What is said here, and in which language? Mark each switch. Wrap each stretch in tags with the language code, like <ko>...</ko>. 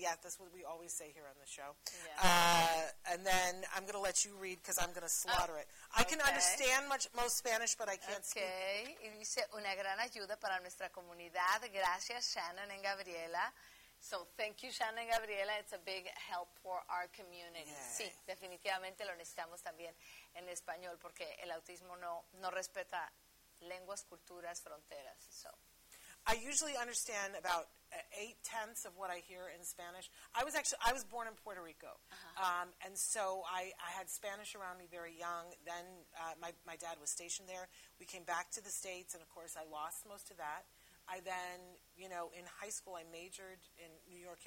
<en>Yeah, that's what we always say here on the show. Yeah. And then I'm going to let you read because I'm going to slaughter it. I can understand most Spanish, but I can't speak.</en> <es>Okay, y dice, una gran ayuda para nuestra comunidad. Gracias,</es> <en>Shannon and Gabriela. So, thank you, Shannon and Gabriela. It's a big help for our community. Yay.</en> <es>Sí, definitivamente lo necesitamos también en español porque el autismo no respeta lenguas, culturas, fronteras.</es> <en>So, I usually understand about 8/10 of what I hear in Spanish. I was born in Puerto Rico. Uh-huh. And so I had Spanish around me very young. Then my dad was stationed there. We came back to the States, and, of course, I lost most of that. I then, you know, in high school, I majored in New York.</en>